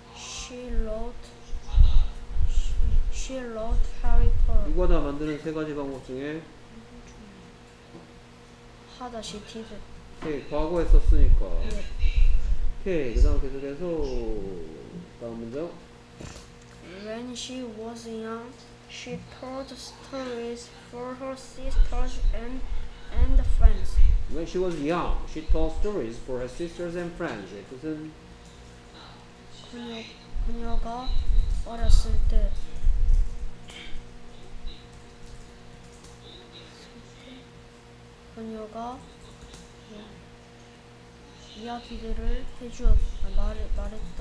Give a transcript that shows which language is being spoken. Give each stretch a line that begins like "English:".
English: She wrote Harry Potter.
Korean: 누가 다 만드는 세 가지 방법 중에 하다
English: she did it.
Korean: 오케이, 과거에 썼으니까. 예. 오케이, 그다음 계속해서 다음 문장.
English: When she was young, she told stories for her sisters and friends. When she was young, she told stories for her sisters and friends.
Korean: 그것은 그녀가 어렸을 때 그녀가 이야기들을 해주었다. 말했다.